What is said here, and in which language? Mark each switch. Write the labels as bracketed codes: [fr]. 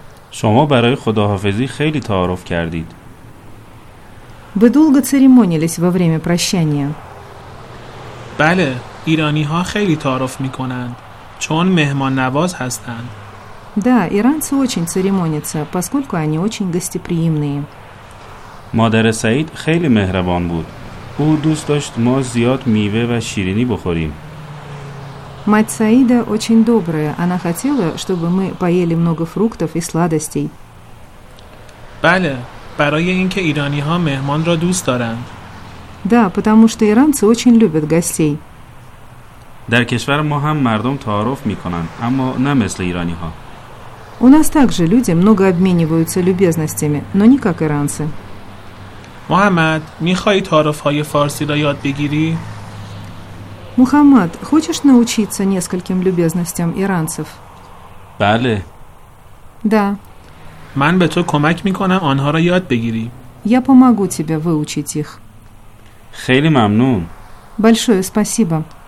[fa] شما برای خداحافظی خیلی تعارف کردید. [ru] Ви довго церемонились во время прощания. [fa] بله، ایرانی‌ها خیلی تعارف می‌کنند چون مهمان نواز هستند. [ru] Да, иранцы очень церемонятся, поскольку они очень гостеприимные. [fa] مادر سعید خیلی مهربان بود. او دوست داشت ما زیاد میوه و شیرینی بخوریم. [ru] Мать Саида очень добрая. Она хотела, чтобы мы поели много фруктов и сладостей. [fa] Бале, برای اینکه ایرانی‌ها مهمان را دوست دارند. [ru] Да, потому что иранцы очень любят гостей. [fa] در کشور ما هم مردم تعارف می‌کنند، اما نه مثل ایرانی‌ها. [ru] У нас также люди много обмениваются любезностями, но не как иранцы. [fa] محمد، می‌خوای تعارف‌های فارسی را یاد بگیری؟ [ru] Мухаммад, хочешь научиться нескольким любезностям иранцев? [tg] Бале. [ru] Да. [tg] Ман бе то комак миконам анха ра яд бегири. [ru] Я помогу тебе выучить их. [tg] Хейли мамнун. [ru] Большое спасибо.